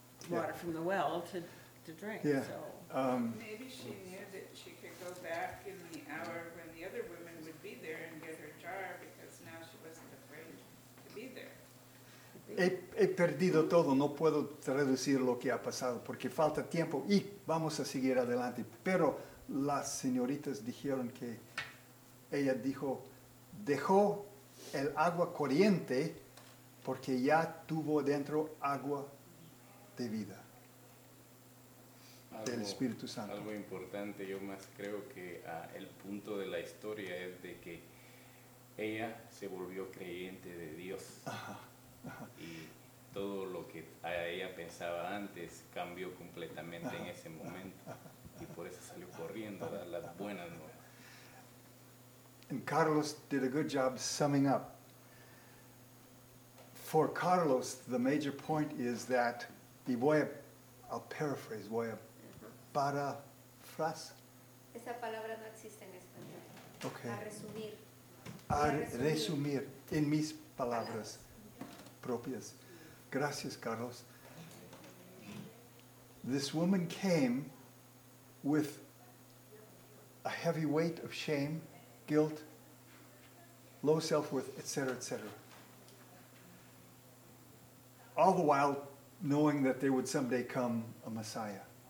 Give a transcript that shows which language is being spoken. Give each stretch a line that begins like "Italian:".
English: Water from the well to drink. Yeah. So. Maybe she knew that she could go back in the hour when the other women would be there and get her jar because now she wasn't afraid to be there.
Spanish: He perdido todo, no puedo traducir lo que ha pasado porque falta tiempo y vamos a seguir adelante. Pero las señoritas dijeron que ella dejó el agua corriente porque ya tuvo dentro agua de vida, algo, del Espíritu Santo. Algo importante, yo más creo que el punto de la historia es de que ella se volvió creyente de Dios. Ajá. Y todo lo que ella pensaba antes cambió completamente en ese momento. Y por eso salió corriendo a dar las buenas nuevas.
English: And Carlos did a good job summing up. For Carlos, the major point is that,
Spanish: y voy a,
English: I'll paraphrase,
Spanish: voy a parafras. Esa palabra no existe en español.
English: Okay.
Spanish: A resumir en mis palabras propias. Gracias, Carlos.
English: This woman came with a heavy weight of shame, guilt, low self-worth, etc., etc. All the while knowing that there would someday come a Messiah.